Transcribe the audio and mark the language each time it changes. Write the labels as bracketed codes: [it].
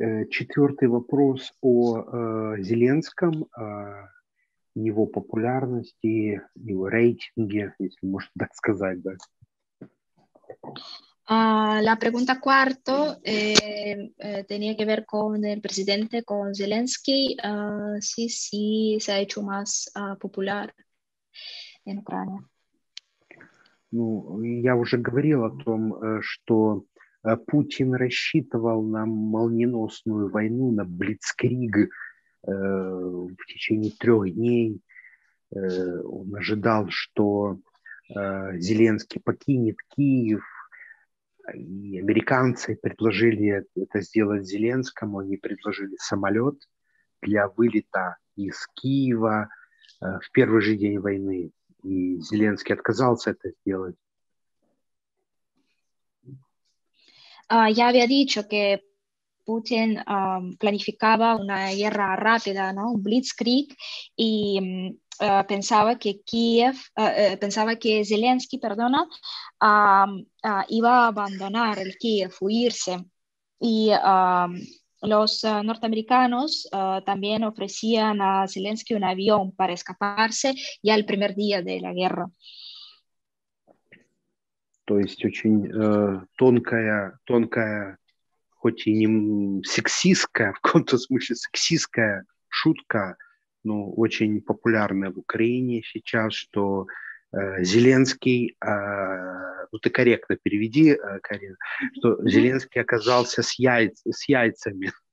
[ru] Четвертый вопрос о Зеленском, его популярности, его рейтинге, если можно так сказать, да. [es] La pregunta cuarto tenía que ver con el presidente, con Zelensky. Sí, se ha hecho más popular en Ucrania. [ru] Ну, я уже говорил о том, что Путин рассчитывал на молниеносную войну, на блицкриг в течение трех дней. Он ожидал, что Зеленский покинет Киев. И американцы предложили это сделать Зеленскому, они предложили самолет для вылета из Киева в первый же день войны. И Зеленский отказался это сделать. [es] Я había dicho que Путин планифицировал una guerra rápida, ¿no? Un blitzkrieg, и pensaba que Zelensky iba a abandonar el Kiev, huirse. Y los norteamericanos también ofrecían a Zelensky un avión para escaparse ya el primer día de la guerra. [ru] То есть очень тонкая, хоть и не сексистская, в каком-то смысле сексистская шутка, ну, очень популярная в Украине сейчас, что Зеленский, ну ты корректно переведи, Карина, что Зеленский оказался с яйцами.